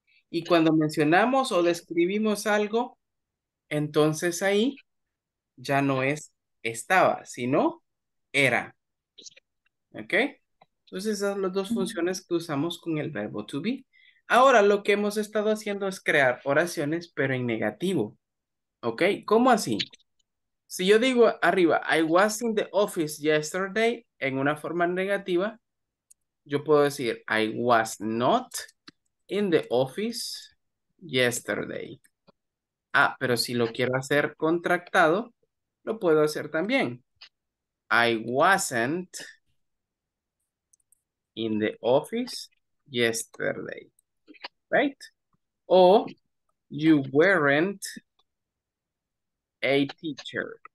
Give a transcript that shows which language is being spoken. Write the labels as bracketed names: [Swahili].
[Spanish] Y cuando mencionamos o describimos algo, entonces ahí ya no es estaba, sino era. ¿Ok? Entonces esas son las dos funciones que usamos con el verbo to be. Ahora lo que hemos estado haciendo es crear oraciones, pero en negativo. ¿Ok? ¿Cómo así? Si yo digo arriba, [English] I was in the office yesterday, [Spanish] en una forma negativa, yo puedo decir, [English] I was not in the office yesterday. [Spanish] Ah, pero si lo quiero hacer contractado, lo puedo hacer también. [English] I wasn't in the office yesterday. Right? O you weren't a teacher.